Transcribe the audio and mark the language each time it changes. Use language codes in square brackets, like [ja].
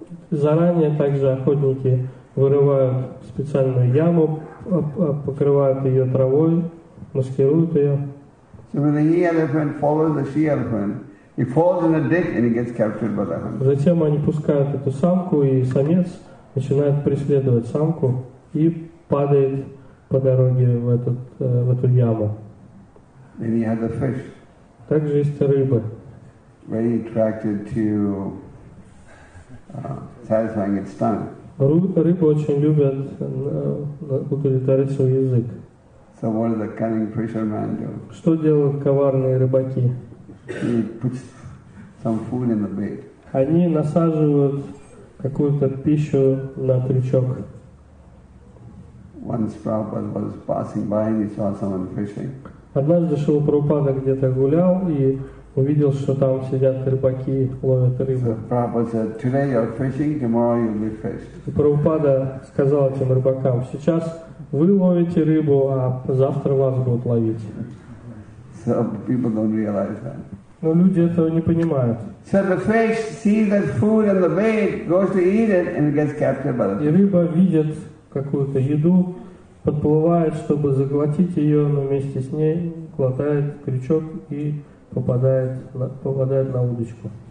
[ru] Заранее также охотники вырывают специальную яму, покрывают ее травой, маскируют ее. [en] So when the he-elephant follows the she-elephant, he falls in a ditch and he gets captured by the hunter. [ru] Затем они пускают эту самку, и самец начинает преследовать самку и падает по дороге в эту яму. [en] Then you have the fish. [ru] Также есть рыбы. [en] Very attracted to satisfying its tongue. [ru] Рыбы очень любят удовлетворить свой язык. [en] So what does the cunning fisherman do? [ru] Что делают коварные рыбаки? [en] He puts some food in the bait. [ru] Они насаживают какую-то пищу на крючок. [en] Once Prabhupada was passing by and he saw someone fishing. [ru] Однажды Шрила Прабхупада где-то гулял и увидел, что там сидят рыбаки, ловят рыбу. [en] So Prabhupada said, "Today you're fishing, tomorrow you'll be fished." [ru] И Прабхупада сказал этим рыбакам: "Сейчас вы ловите рыбу, а завтра вас будут ловить." [en] So people don't realize that. [ru] Но люди этого не понимают. [en] So the fish sees that food in the bait, goes to eat it, and it gets captured by the fish. [ru] И рыба видит какую-то еду, подплывает, чтобы заглотить ее, но вместе с ней глотает крючок и попадает на удочку.